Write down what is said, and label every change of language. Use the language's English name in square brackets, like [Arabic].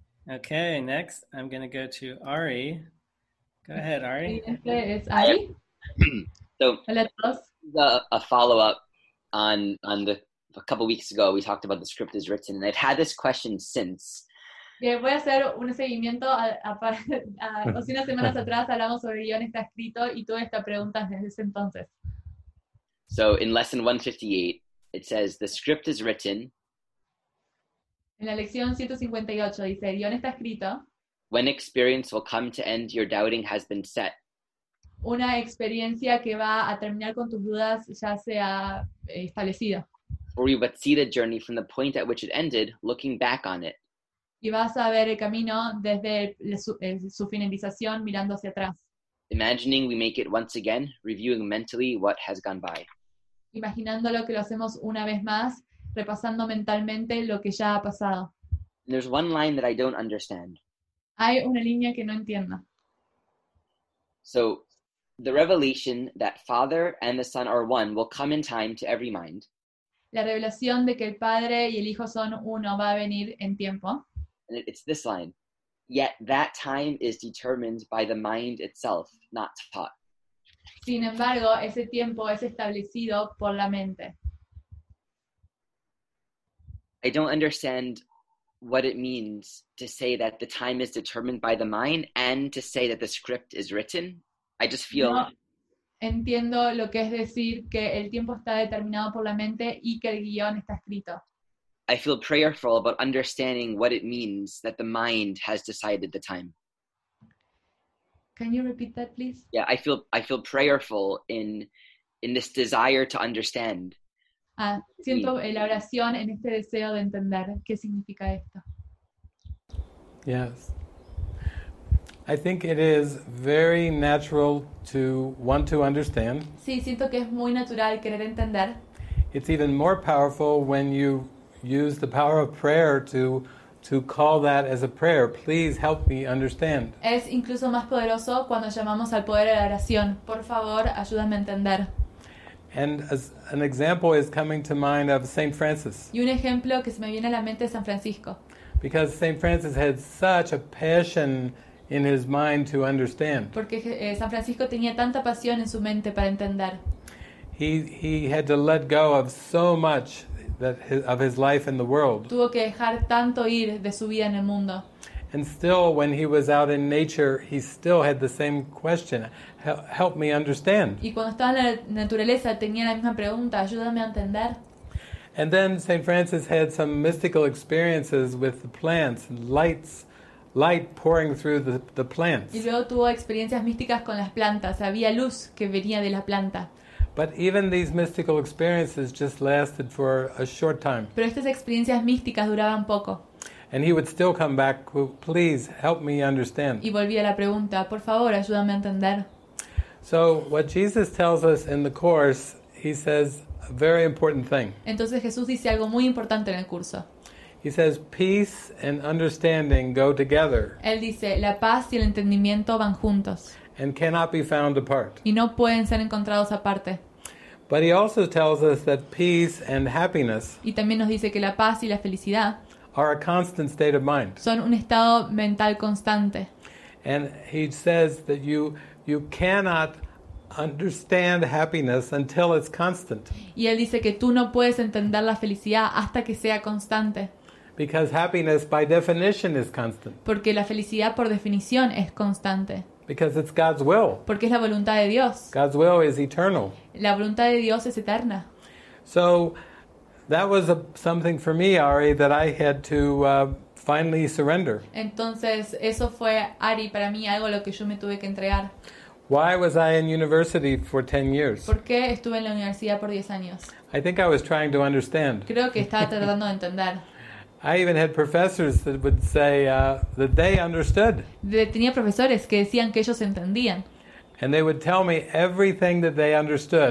[English] Okay, next I'm going to go to Ari. Go ahead, Ari. [Spanish] Es Ari. [English] So, a follow-up on the, a couple weeks ago, we talked about the script is written, and I've had this question since. [Spanish] Bien, voy a hacer un seguimiento. Hace unas semanas atrás hablamos sobre el guión está escrito, y tuve esta pregunta desde ese entonces. [English] So, in lesson 158, it says, the script is written. [Spanish] En la lección 158, dice, el guión está escrito. [English] When experience will come to end, your doubting has been set. [Spanish] Una experiencia que va a terminar con tus dudas ya sea establecida. [English] Or you would see the journey from the point at which it ended, looking back on it. [Spanish] Y vas a ver el camino desde su finalización mirando hacia atrás. [English] Imagining we make it once again, reviewing mentally what has gone by. [Spanish] Imaginándolo que lo hacemos una vez más, repasando mentalmente lo que ya ha pasado. [English] There's one line that I don't understand. [Spanish] Hay una línea que no entiendo. [English] So, the revelation that Father and the Son are one will come in time to every mind. [Spanish] La revelación de que el Padre y el Hijo son uno va a venir en tiempo. [English] And it's this line. Yet that time is determined by the mind itself, not taught. [Spanish] Sin embargo, ese tiempo es establecido por la mente. [English] I don't understand what it means to say that the time is determined by the mind and to say that the script is written. I just feel. [Spanish] No entiendo lo que es decir que el tiempo está determinado por la mente y que el guion está escrito. [English] I feel prayerful about understanding what it means that the mind has decided the time. Can you repeat that, please? Yeah, I feel prayerful in this desire to understand. [Spanish] Siento la oración en este deseo de entender qué significa esto. [English] Yes. I think it is very natural to want to understand. [Spanish] Sí, siento que es muy natural querer entender. [English] It's even more powerful when you use the power of prayer to call that as a prayer. Please help me understand. [Spanish] Es incluso más poderoso cuando llamamos al poder de la oración. Por favor, ayúdame a entender. [English] And as an example is coming to mind of Saint Francis. [Spanish] Y un ejemplo que se me viene a la mente es San Francisco. [English] Because Saint Francis had such a passion in his mind to understand. [Spanish] Porque San Francisco tenía tanta pasión en su mente para entender. [English] He had to let go of so much that of his life in the world. [Spanish] Tuvo que dejar tanto ir de su vida en el mundo. [English] And still, when he was out in nature, he still had the same question: "Help me understand." [Spanish] Y cuando estaba en la naturaleza tenía la misma pregunta: "Ayúdame a entender." [English] And then Saint Francis had some mystical experiences with the plants, lights. Light pouring through the plants. [Spanish] Y luego tuvo experiencias místicas con las plantas. Había luz que venía de la planta. [English] But even these mystical experiences just lasted for a short time. [Spanish] Pero estas experiencias místicas duraban poco. [English] And he would still come back, please help me understand. [Spanish] Y volvía a la pregunta, por favor, ayúdame a entender. [English] So what Jesus tells us in the course, he says a very important thing. [Spanish] Entonces Jesús dice algo muy importante en el curso. [English] He says, peace and understanding go together. [Spanish] Él dice, la paz y el entendimiento van juntos. [English] And cannot be found apart. [Spanish] Y no pueden ser encontrados aparte. [English] But he also tells us that peace and happiness. [Spanish] Y también nos dice que la paz y la felicidad. [English] are a constant state of mind. [Spanish] Son un estado mental constante. [English] And he says that you cannot understand happiness until it's constant. [Spanish] Y él dice que tú no puedes entender la felicidad hasta que sea constante. [English] Because happiness by definition is constant. [Spanish] Porque la felicidad por definición es constante. [English] Because it's God's will. [Spanish] Porque es la voluntad de Dios. [English] God's will is eternal. [Spanish] La voluntad de Dios es eterna. [English] So that was something for me, Ari, that I had to finally surrender. [Spanish] Entonces, eso fue, Ari, para mí algo lo que yo me tuve que entregar. [English] Why was I in university for 10 years? [Spanish] ¿Por qué estuve en la universidad por 10 años? [English] I think I was trying to understand. [Spanish] Creo que estaba tratando de entender. [English] I even had professors that would say that they understood. [Spanish] Tenía profesores que decían que ellos entendían. [English] And they would tell me everything that they understood.